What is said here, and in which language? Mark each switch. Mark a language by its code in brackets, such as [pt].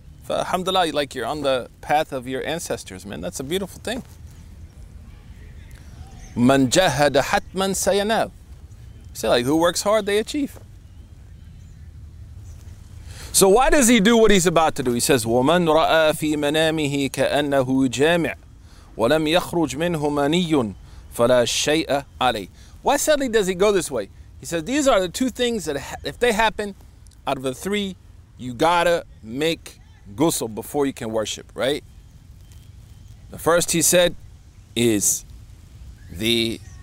[en] Alhamdulillah, like you're on the path of your ancestors, man. That's a beautiful thing. [ar] مَنْ جَهَدَ حَتْمًا سَيَنَاوْ. [en] Say, like, who works hard, they achieve. So why does he do what he's about to do? He says, [ar] وَمَنْ رَأَى فِي مَنَامِهِ كَأَنَّهُ جَامِعٌ وَلَمْ يَخْرُجْ مِنْهُ مَنِيٌّ فَلَا شَيْءَ عَلَيْهِ. [en] Why suddenly does he go this way? He says, these are the two things that if they happen, out of the three, you gotta make ghusl before you can worship, right? The first, he said, is the...